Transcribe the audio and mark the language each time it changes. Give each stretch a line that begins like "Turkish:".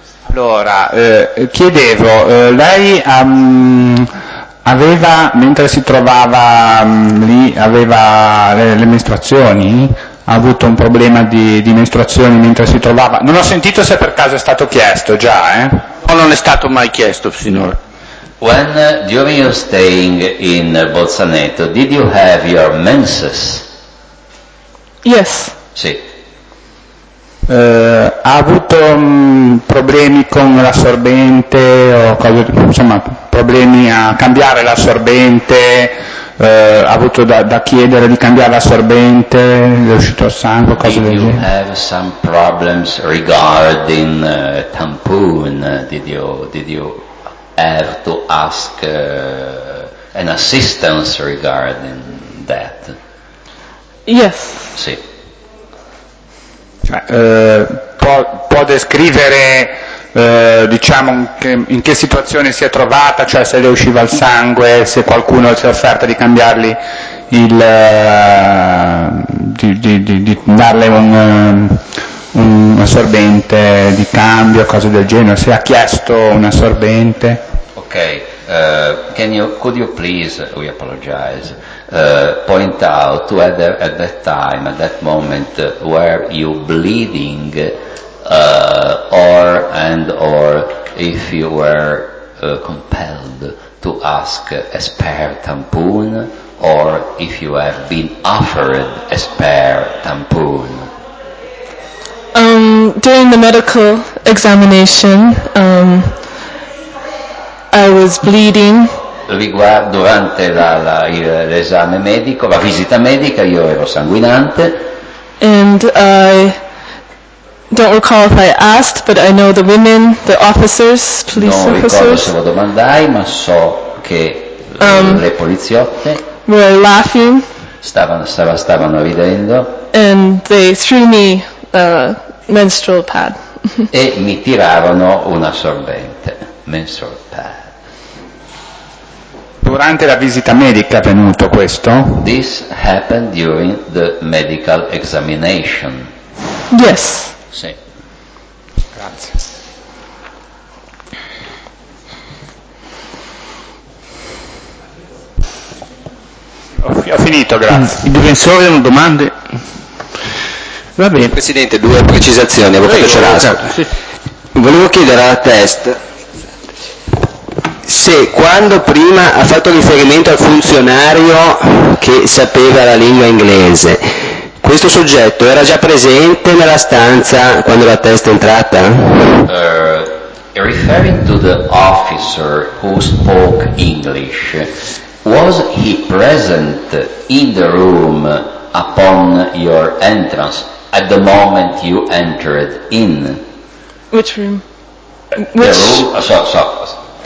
Italian: Allora, chiedevo, lei aveva, mentre si trovava lì, aveva le mestruazioni? Ha avuto un problema di mestruazioni mentre si trovava? Non ho sentito se per caso è stato chiesto già, eh? No, non è stato mai chiesto, signore.
English: When during your staying in Bolzaneto, did you have your menses? Yes.
Italian: Sì. Ha avuto problemi con l'assorbente o cose, insomma, problemi a cambiare l'assorbente? Ha avuto da chiedere di cambiare l'assorbente? È uscito il sangue? Cose del genere.
English: Did you have some problems regarding tampon? Did you? Have to ask an assistance regarding that. Yes.
Italian: Sì. Cioè, può descrivere, in che situazione si è trovata, cioè se le usciva il sangue, se qualcuno si è offerto di cambiargli di darle un assorbente di cambio, cose del genere, se ha chiesto un assorbente.
English: Okay, could you please, we apologize, point out whether at that time, at that moment, were you bleeding, or if you were compelled to ask a spare tampon, or if you have been offered a spare tampon? During the medical examination, I was bleeding.
Italian: Durante l'esame medico, la visita medica, io ero sanguinante.
English: And I don't recall if I asked, but I know the women, the officers, police officers.
Italian: Non ricordo se lo domandai, ma so che le poliziotte
English: were laughing.
Italian: Stavano ridendo.
English: And they threw me a menstrual pad.
Italian: E mi tirarono un assorbente,
English: menstrual pad.
Italian: Durante la visita medica è venuto questo?
English: This happened during the medical examination. Yes.
Italian: Sì. Grazie. Ho finito, grazie. Il difensore ha domande? Va bene. Presidente, due precisazioni, avvocato Cerasco. Sì. Volevo chiedere alla test. Se quando prima ha fatto riferimento al funzionario che sapeva la lingua inglese, questo soggetto era già presente nella stanza quando la testa è entrata?
English: Referring to the officer who spoke English, was he present in the room upon your entrance, at the moment you entered in? Which room? The room,